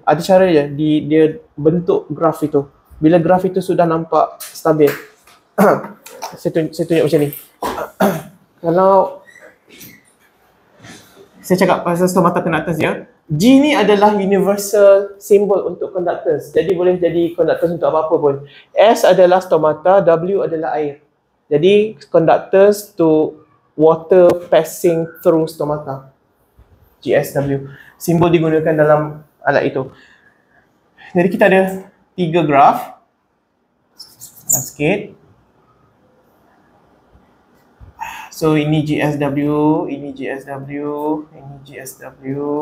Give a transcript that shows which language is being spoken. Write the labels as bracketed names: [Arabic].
[Malay] Ada cara je dia bentuk graf itu. Bila graf itu sudah nampak stabil. saya tunjuk macam ni. Kalau saya cakap pasal stomata conductance ya. G ni adalah [English] universal symbol [Malay] untuk conductance. Jadi boleh jadi conductance untuk apa-apa pun. S adalah stomata, W adalah air. [English] Jadi conductance to water passing through stomata. [Malay] GSW. Simbol digunakan dalam alat itu. Jadi kita ada tiga graf. Sikit. So ini GSW, ini GSW, ini GSW.